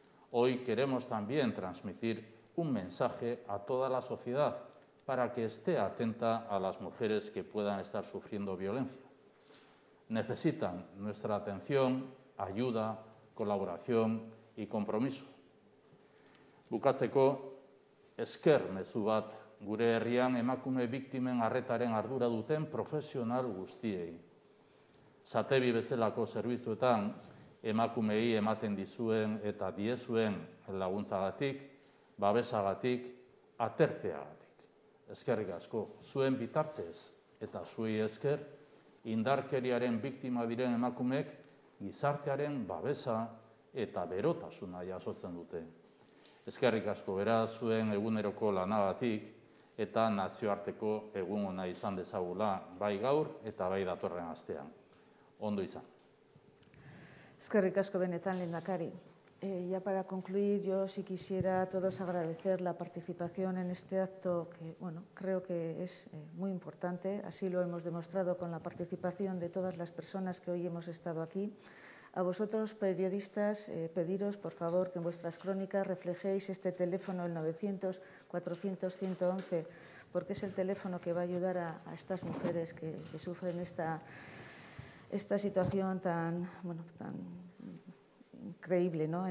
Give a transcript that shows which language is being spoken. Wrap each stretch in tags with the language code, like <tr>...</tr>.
<es>Hoy queremos también transmitir un mensaje a toda la sociedad para que esté atenta a las mujeres que puedan estar sufriendo violencia. Necesitan nuestra atención, ayuda, colaboración y compromiso.</es> <eu>Bukatzeko, esker mezu bat gure herrian emakume biktimen arretaren ardura duten profesional guztiei. Satevi bezalako zerbitzuetan emakumei ematen dizuen eta diezuen laguntzagatik, babesagatik, aterpeagatik. Eskerrik asko, zuen bitartez eta zuei esker, indarkeriaren biktima diren emakumeek gizartearen babesa eta berotasuna jasotzen dute. Eskerrik asko beraz zuen eguneroko lanagatik eta nazioarteko egun ona izan dezagula bai gaur eta bai datorren astean. Ondo izan. Eskerrik asko benetan lehendakari.</eu> <es>Ya para concluir, yo sí quisiera a todos agradecer la participación en este acto que, bueno, creo que es muy importante. Así lo hemos demostrado con la participación de todas las personas que hoy hemos estado aquí. A vosotros, periodistas, pediros, por favor, que en vuestras crónicas reflejéis este teléfono, el 900-400-111, porque es el teléfono que va a ayudar a estas mujeres que sufren esta situación tan, bueno, tan increíble, ¿no?</es>